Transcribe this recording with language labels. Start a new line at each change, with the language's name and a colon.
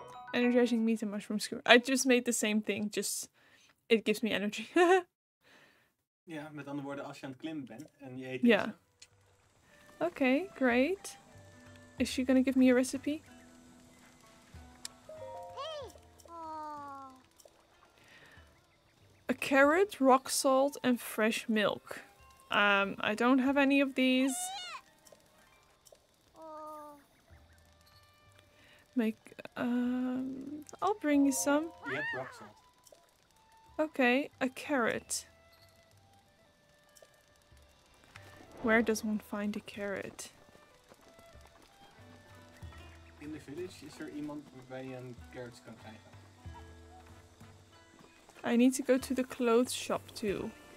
English: Energizing meat and mushroom skewer. I just made the same thing, just it gives me energy.
Dutch: Ja, met andere woorden, als je aan het klimmen bent en je eet deze.
English: Yeah. Okay, great. Is she gonna give me a recipe? A carrot, rock salt, and fresh milk. I don't have any of these. Make, I'll bring you some. Yep, rock salt. Okay, a carrot. Where does one find a carrot? In the village, is there
Dutch: iemand waar je een carrot kan krijgen?
English: I need to go to the clothes shop too.